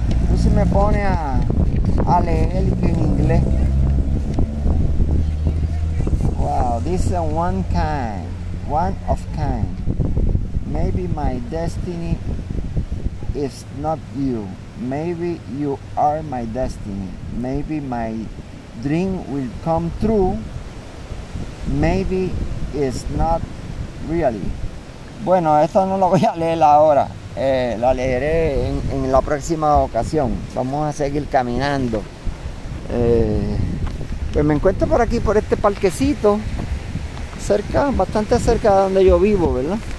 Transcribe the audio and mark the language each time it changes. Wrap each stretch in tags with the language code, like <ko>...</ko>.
<es>Lucy me pone a leer en inglés.</es> <en>Wow, this is one kind, one of kind. Maybe my destiny is not you. Maybe you are my destiny. Maybe my dream will come true. Maybe it's not really.</en> <es>Bueno, esto no lo voy a leer ahora. La leeré en la próxima ocasión. Vamos a seguir caminando. Pues me encuentro por aquí, por este parquecito, cerca, bastante cerca de donde yo vivo, ¿verdad?</es>